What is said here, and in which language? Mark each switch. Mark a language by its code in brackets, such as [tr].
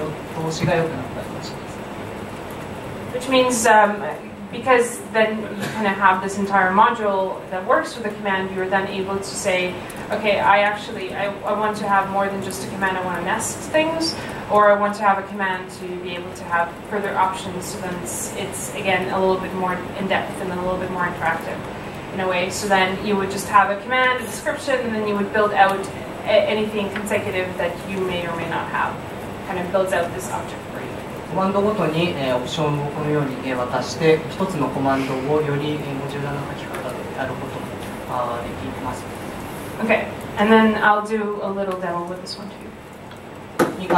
[ja] オプションを外部のモジュールに渡すことから引き取ることもできて、それの方がコードがこのように見通しが良くなったりします。Which [en] means because then you kind of have this entire module that works with the command, you are then able to say, okay, I want to have more than just a command, I want to nest things, or I want to have a command to be able to have further options, so then it's again a little bit more in-depth and a little bit more interactive in a way. So then you would just have a command, a description, and then you would build out anything consecutive that you may or may not have, kind of builds out this object. [ja] コマンドごとにオプションをこのように渡して、一つのコマンドをよりモジュラルな書き方でやることができます。Okay, [en] and then I'll do a little demo with this one too.